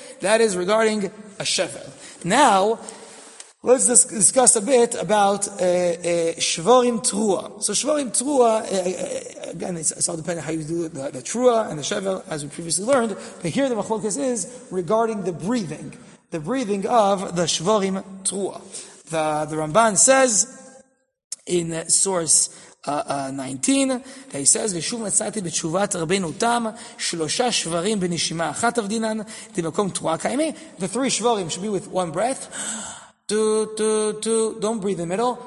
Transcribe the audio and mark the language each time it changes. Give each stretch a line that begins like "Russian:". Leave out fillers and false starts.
English: That is regarding a shevel. Now, let's discuss a bit about shvorim trua. So shvorim trua, again, it's all dependent on how you do the trua and the shevel, as we previously learned, but here the machlokas is regarding the breathing of the shvorim trua.
Hebrew: The Ramban says in Source 19, that he says, ושוב מצאתי בתשובת רבנו תם, שלושה שברים בנשימה אחת עבדינן, דמקום תרועה קיימי.
English: The three שברים should be with one breath. Two, two, two. Don't breathe in the middle.